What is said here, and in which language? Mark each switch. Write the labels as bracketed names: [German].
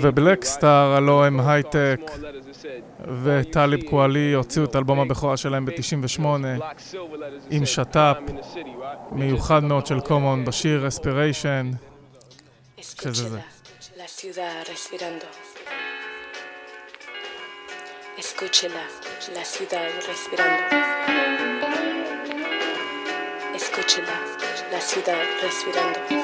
[Hebrew] The Black Star, Alo M High Tech, and Talib Kweli הוציאו את האלבום הבכורה שלהם ב-98 עם שטאפ מיוחד מאוד של קומון בשיר Respiration. [Spanish] שזה La ciudad respirando. Escúchela, la ciudad respirando. Escúchela, la ciudad respirando.